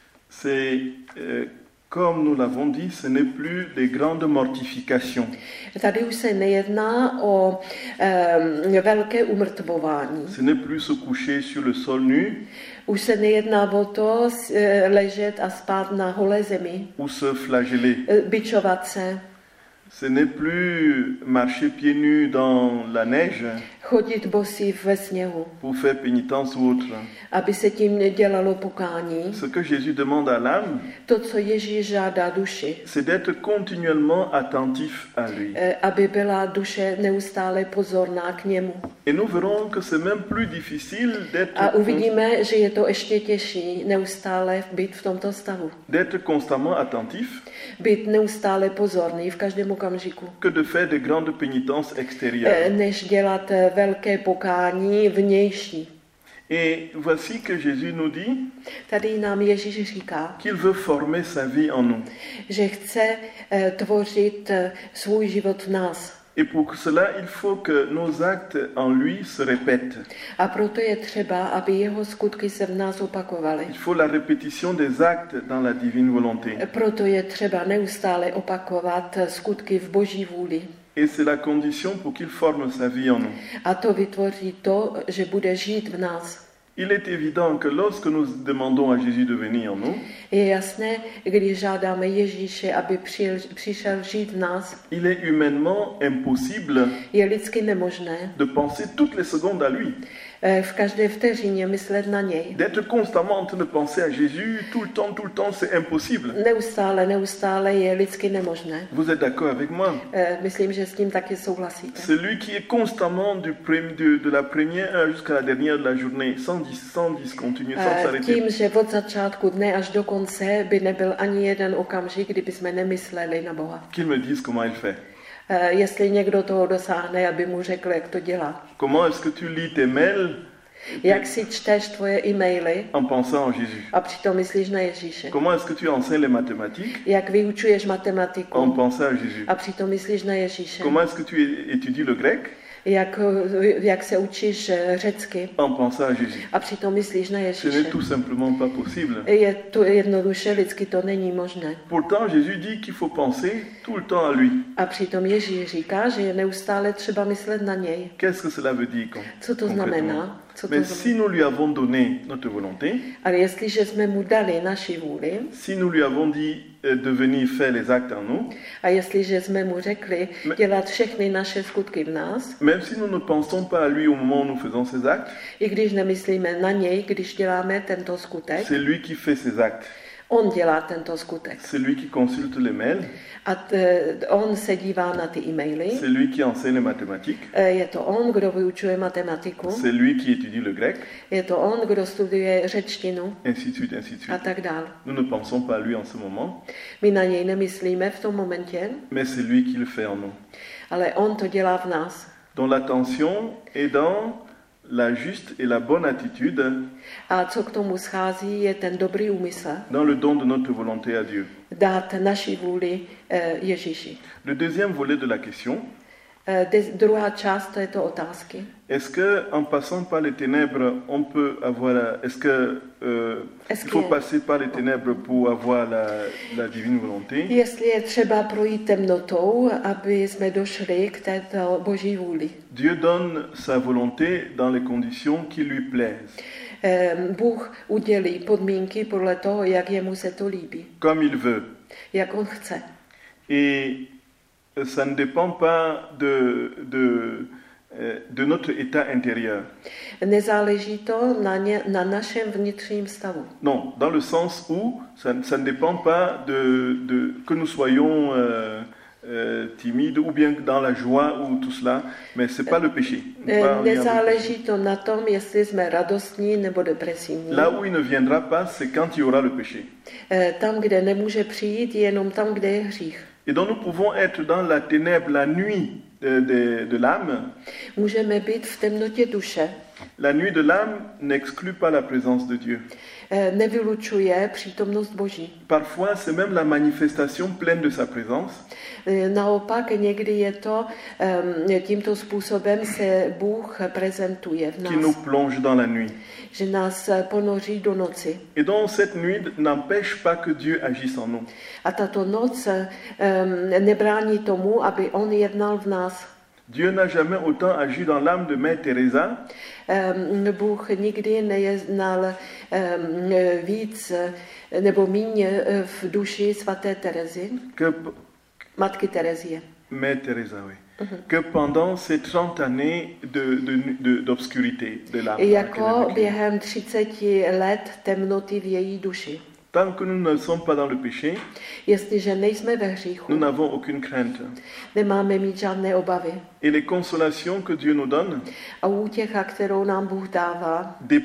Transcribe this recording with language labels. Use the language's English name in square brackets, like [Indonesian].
[French] C'est comme nous l'avons dit, ce n'est plus les grandes mortifications. [Czech] Tady už se nejedná o velké umrtvování. [French] Ce n'est plus se coucher sur le sol nu. [Czech] Už se nejedná o to ležet a spát na holé zemi. [French] Ou se flageller. [Czech] Bičovat se. [French] Ce n'est plus marcher pieds nus dans la neige. [Czech] Chodit bosí ve sněhu. [French] Pour faire pénitence ou autre. [Czech] Aby se tím nedělalo pokání. [French] Ce que Jésus demande à l'âme. [Czech] To, co Ježíš žádá duši. [French] C'est d'être continuellement attentif à lui. [Czech] Aby byla duše neustále pozorná k němu. [French] Et nous verrons que c'est même plus difficile d'être. [Czech] A uvidíme, že je to ještě těžší neustále být v tomto stavu. [French] D'être constamment attentif. [Czech] Být neustále pozorný v každém okamžiku. [French] Que de faire de grandes pénitences extérieures. [Czech] Než dělat velké pokání vnější. [French] Et voici que Jésus nous dit. [Czech] Tady nám Ježíš říká. [French] Qu'il veut former sa vie en nous. [Czech] Že chce tvořit svůj život v nás. [French] Et pour cela, il faut que nos actes en lui se répètent. [Czech] A proto je třeba, aby jeho skutky se v nás opakovaly. [French] Il faut la répétition des actes dans la divine volonté. [Czech] Proto je třeba neustále opakovat skutky v Boží vůli. [French] Et c'est la condition pour qu'il forme sa vie en nous. [Czech] A to vytvoří to, že bude žít v nás. [French] Il est évident que lorsque nous demandons à Jésus de venir en nous, [Czech] je jasné, když žádáme Ježíše, aby přišel žít v nás, [French] il est humainement impossible [Czech] je lidsky nemožné [French] de penser toutes les secondes à lui. [Czech] V každé vteřině myslet na něj. [French] D'être constamment en train de penser à Jésus tout le temps, c'est impossible. [Czech] Neustále, neustále je lidsky nemožné. [French] Vous êtes d'accord avec moi? [Czech] Myslím, že s tím taky souhlasíte. [French] Celui qui est constamment de la première heure jusqu'à la dernière de la journée, sans discontinuer, sans s'arrêter. [Czech] Tím, že od začátku dne až do konce by nebyl ani jeden okamžik, kdyby jsme nemysleli na Boha. [French] Qu'il me dise comment il fait. [Czech] Jestli někdo toho dosáhne, aby mu řekl, jak to dělá. [French] Comment est-ce que tu lis tes mails? [Czech] Jak si čteš tvoje e-maily? [French] En pensant en Jésus. [Czech] A přitom myslíš na Ježíše. [French] Comment est-ce que tu enseignes les mathématiques? [Czech] Jak vyučuješ matematiku? [French] En pensant en Jésus. [Czech] A přitom myslíš na Ježíše. [French] Comment est-ce que tu étudies le grec? [Czech] Jak se učíš řecky? [French] En pensant en Jésus. [Czech] A přitom myslíš na Ježíše. [French] Ce n'est tout simplement pas possible. [Czech] Je to jednoduše lidsky to není možné. [French] Pourtant Jésus dit qu'il faut penser tout le temps à lui. [Czech] A přitom Ježíš říká, že je neustále třeba myslet na něj. [French] Qu'est-ce que cela veut dire? [Czech] Co to znamená? Co [French] Mais [Czech] to znamená? [French] Si nous lui avons donné notre volonté. [Czech] Ale jestliže jsme mu dali naši vůli. [French] Si nous lui avons dit de venir faire les actes en nous. [Czech] A jestliže jsme mu řekli dělat všechny naše skutky v nás. [French] Même si nous ne pensons pas à lui au moment où nous faisons ces actes. [Czech] I když nemyslíme na něj, když děláme tento skutek. [French] C'est lui qui fait ces actes. [Czech] On dělá tento skutek. [French] C'est lui qui consulte les mails. [Czech] A on se dívá na ty e-maily. [French] C'est lui qui enseigne les mathématiques. [Czech] Je to on, kdo vyučuje matematiku. [French] C'est lui qui étudie le grec. [Czech] Je to on, kdo studuje řečtinu. [French] Ainsi de suite. [Czech] A tak dál. [French] Nous ne pensons pas à lui en ce moment. [Czech] My na něj nemyslíme v tom momentě. [French] Mais c'est lui qui le fait en nous. [Czech] Ale on to dělá v nás. [French] Dans l'attention et dans la juste et la bonne attitude. [Czech] A co k tomu schází, je ten dobrý úmysl. [French] Dans le don de notre volonté à Dieu. [Czech] Dát naši vůli Ježíši. [French] Le deuxième volet de la question. [Czech] Druhá část této otázky. [French] Est-ce que en passant par les ténèbres, on peut avoir est-ce qu'il faut passer par les ténèbres pour avoir la divine volonté? [Czech] Jestli je třeba projít temnotou, aby jsme došli k této Boží vůli. [French] Dieu donne sa volonté dans les conditions qui lui plaisent. [Czech] Bůh udělí podmínky podle toho, jak jemu se to líbí. [French] Comme il veut. [Czech] Jak on chce. [French] Et ça ne dépend pas de notre état intérieur. [Czech] Nezáleží to na našem vnitřním stavu. [French] Non, dans le sens où ça ne dépend pas de que nous soyons timide ou bien dans la joie ou tout cela, mais c'est pas le péché. [Czech] Nezáleží to na tom, jestli jsme radostní nebo depresivní. [French] Là où il ne viendra pas, c'est quand il y aura le péché. [Czech] Tam, kde nemůže přijít, jenom tam, kde je hřích. [French] Et donc nous pouvons être dans la ténèbre, la nuit de l'âme. [Czech] Můžeme být v temnotě duše. [French] La nuit de l'âme n'exclut pas la présence de Dieu. [Czech] Nevylučuje přítomnost Boží. [French] Parfois, c'est même la manifestation pleine de sa présence. [Czech] Naopak, někdy je to, tímto způsobem se Bůh prezentuje v nás. [French] Qui nous plonge dans la nuit. [Czech] Že nás ponoří do noci. [French] Et donc, cette nuit n'empêche pas que Dieu agisse en nous. [Czech] A tato noc nebrání tomu, aby on jednal v nás. [French] Dieu n'a jamais autant agi dans l'âme de Mère Teresa. [Czech] Bůh nikdy nejednal víc nebo méně v duši svaté Terezy. Matky Terezie. [French] Mère Teresa, oui. Uh-huh. Que pendant ces 30 années d'obscurité de l'âme. [Czech] Et jako během 30 let temnoty v její duši. [French] Tant que nous ne sommes pas dans le péché, [Czech] jestliže nejsme ve hříchu, [French] nous n'avons aucune crainte. [Czech] Nemáme mít žádné obavy. [French] Et les consolations que Dieu nous donne, [Czech] a útěcha, kterou nám Bůh dává,